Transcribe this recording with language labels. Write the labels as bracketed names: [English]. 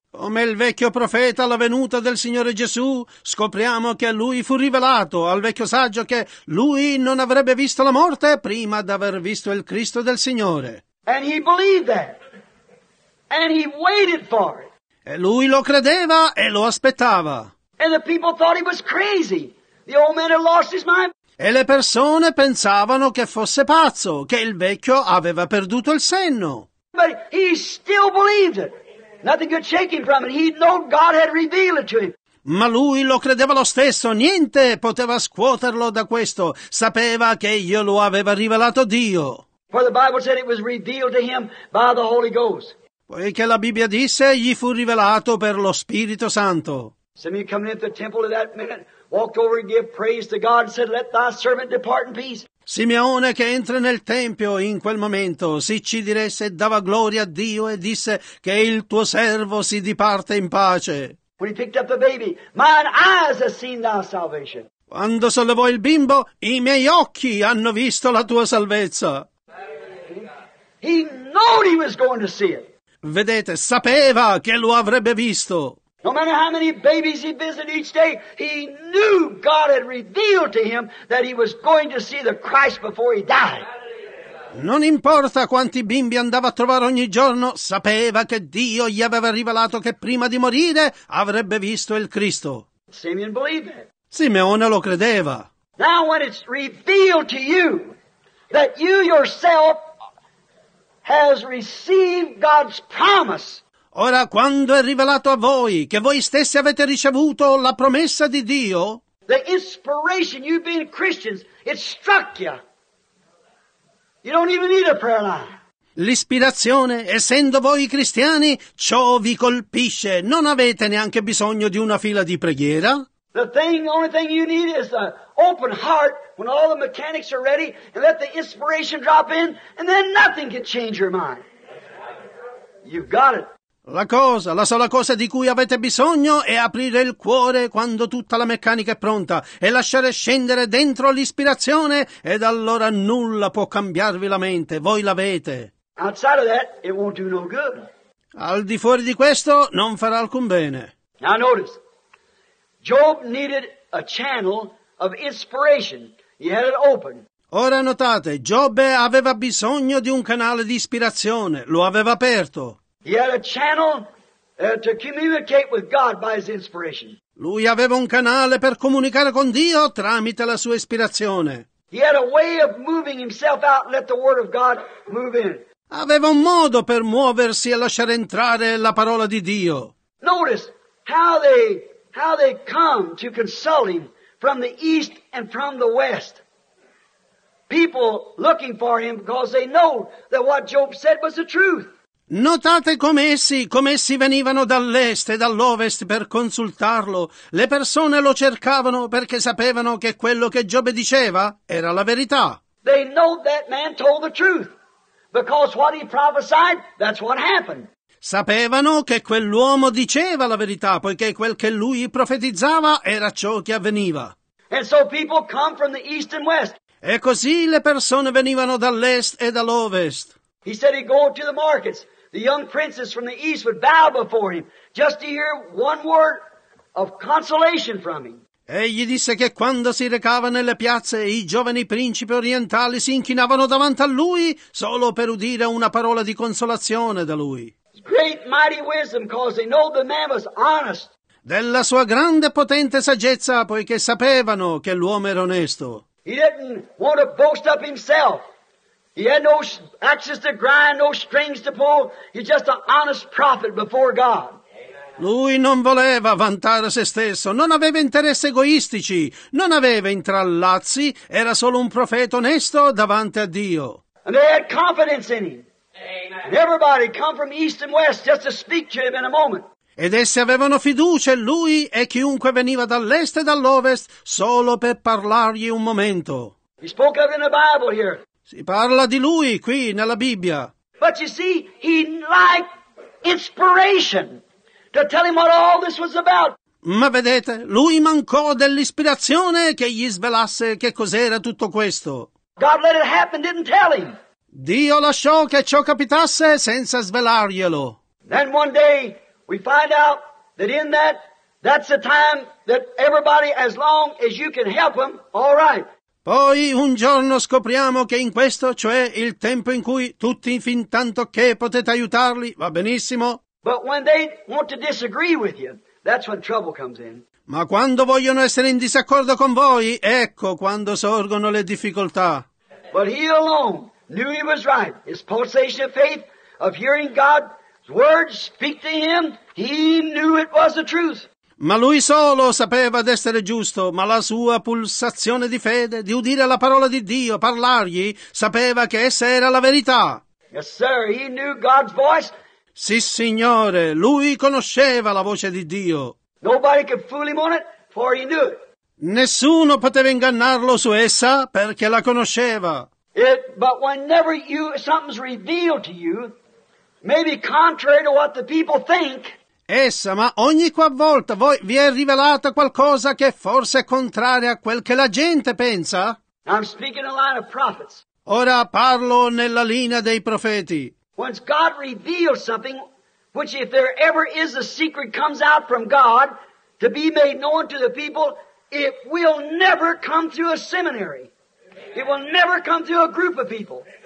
[Italian] Come il vecchio profeta alla venuta del Signore Gesù, scopriamo che a lui fu rivelato, al vecchio saggio, che lui non avrebbe visto la morte prima d'aver visto il Cristo del Signore. [English] And he believed that. And he waited for it. [Italian] E lui lo credeva e lo aspettava. [English] And the people thought he was crazy. The old man had lost his mind. [Italian] E le persone pensavano che fosse pazzo, che il vecchio aveva perduto il senno. [English] But he still believed it. Nothing could shake him from it. He knew God had revealed it to him. [Italian] Ma lui lo credeva lo stesso. Niente poteva scuoterlo da questo. Sapeva che io lo aveva rivelato Dio. [English] For the Bible said it was revealed to him by the Holy Ghost. [Italian] Poiché la Bibbia disse, gli fu rivelato per lo Spirito Santo. [English] Some of you coming into the temple at that minute, walked over and gave praise to God and said, "Let thy servant depart in peace." [Italian] Simeone che entra nel tempio in quel momento si ci diresse e dava gloria a Dio e disse che il tuo servo si diparte in pace. [English] When he picked up the baby, mine eyes have seen thy salvation. [Italian] Quando sollevò il bimbo, i miei occhi hanno visto la tua salvezza. [English] He knew he was going to see it. [Italian] Vedete, sapeva che lo avrebbe visto. [English] No matter how many babies he visited each day, he knew God had revealed to him that he was going to see the Christ before he died. [Italian] Non importa quanti bimbi andava a trovare ogni giorno, sapeva che Dio gli aveva rivelato che prima di morire avrebbe visto il Cristo. [English] Simeon believed it. [Italian] Simeone lo credeva. [English] Now when it's revealed to you that you yourself has received God's promise. [Italian] Ora, quando è rivelato a voi che voi stessi avete ricevuto la promessa di Dio, [English] the inspiration, you being Christians, it struck you. You don't even need a prayer line. [Italian] L'ispirazione, essendo voi cristiani, ciò vi colpisce. Non avete neanche bisogno di una fila di preghiera. [English] The thing, the only thing you need is an open heart when all the mechanics are ready and let the inspiration drop in and then nothing can change your mind. You've got it. [Italian] La sola cosa di cui avete bisogno è aprire il cuore quando tutta la meccanica è pronta e lasciare scendere dentro l'ispirazione ed allora nulla può cambiarvi la mente, voi l'avete. [English] Outside of that, it won't do no good. [Italian] Al di fuori di questo non farà alcun bene. [English] Now notice, Job needed a channel of inspiration. He had it open. [Italian] Ora notate, Giobbe aveva bisogno di un canale di ispirazione, lo aveva aperto. [English] He had a channel to communicate with God by his inspiration. [Italian] Lui aveva un canale per comunicare con Dio tramite la sua ispirazione. [English] He had a way of moving himself out and let the word of God move in. [Italian] Aveva un modo per muoversi e lasciare entrare la parola di Dio. [English] Notice how they come to consult him from the east and from the west. People looking for him because they know that what Job said was the truth. [Italian] Notate come essi venivano dall'est e dall'ovest per consultarlo. Le persone lo cercavano perché sapevano che quello che Giobbe diceva era la verità. [English] They know that man told the truth, because what he prophesied, that's what happened. [Italian] Sapevano che quell'uomo diceva la verità, poiché quel che lui profetizzava era ciò che avveniva. [English] And so people come from the east and west. [Italian] E così le persone venivano dall'est e dall'ovest. [English] He said he'd go to the markets. The young princes from the east would bow before him just to hear one word of consolation from him. [Italian] Egli disse che quando si recava nelle piazze, i giovani principi orientali si inchinavano davanti a lui solo per udire una parola di consolazione da lui. [English] Great mighty wisdom, because they know the man was honest. [Italian] Della sua grande potente saggezza, poiché sapevano che l'uomo era onesto. [English] He didn't want to boast up himself. He had no axes to grind, no strings to pull. He's just an honest prophet before God. [Italian] Lui non voleva vantare se stesso, non aveva interessi egoistici, non aveva intrallazzi, era solo un profeta onesto davanti a Dio. [English] And they had confidence in him. Amen. And everybody come from east and west just to speak to him in a moment. [Italian] Ed essi avevano fiducia in lui e chiunque veniva dall'est e dall'ovest solo per parlargli un momento. [English] He spoke of it in the Bible here. [Italian] Si parla di lui qui nella Bibbia. [English] But you see, he liked inspiration to tell him what all this was about. [Italian] Ma vedete, lui mancò dell'ispirazione che gli svelasse che cos'era tutto questo. [English] God let it happen, didn't tell him. [Italian] Dio lasciò che ciò capitasse senza svelarglielo. [English] Then one day we find out that in that's the time that everybody, as long as you can help them, all right. [Italian] Poi un giorno scopriamo che in questo, cioè il tempo in cui tutti fin tanto che potete aiutarli, va benissimo. [English] But when they want to disagree with you, that's when trouble comes in. [Italian] Ma quando vogliono essere in disaccordo con voi, ecco quando sorgono le difficoltà. [English] But he alone knew he was right. His pulsation of faith, of hearing God's words speak to him, he knew it was the truth. [Italian] Ma lui solo sapeva d'essere giusto, ma la sua pulsazione di fede, di udire la parola di Dio, parlargli, sapeva che essa era la verità. [English] Yes, sir, he knew God's voice. [Italian] Sì, signore, lui conosceva la voce di Dio. [English] Nobody could fool him on it, for he knew it. [Italian] Nessuno poteva ingannarlo su essa perché la conosceva. [English] But whenever you something's revealed to you, maybe contrary to what the people think. [Italian] Essa, ma ogni qualvolta voi vi è rivelata qualcosa che forse è contraria a quel che la gente pensa. [English] I'm speaking in line of prophets. [Italian] Ora parlo nella linea dei profeti. [English] Once God reveals something, which if there ever is a secret comes out from God to be made known to the people, it will never come through a seminary. It will never come through a group of people.